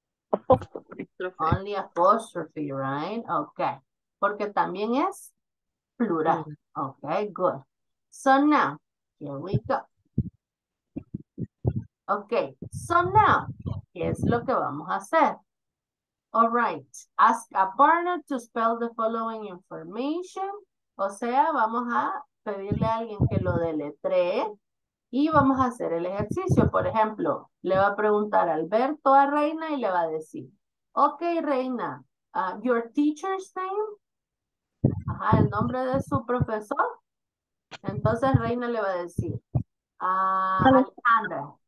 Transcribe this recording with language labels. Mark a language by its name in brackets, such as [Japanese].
[Spanish] Apóstrofe. [English] Only apostrophe, right? Okay. [Spanish] Porque también es plural. [English] Okay, good. So now, here we go. Okay, so now, [Spanish] ¿qué es lo que vamos a hacer? [English] All right, ask a partner to spell the following information. [Spanish] O sea, vamos a pedirle a alguien que lo deletree y vamos a hacer el ejercicio. Por ejemplo, le va a preguntar Alberto a Reina y le va a decir, ok, Reina, [English] your teacher's name? [Spanish] Ajá, el nombre de su profesor. Entonces Reina le va a decir, Alejandra.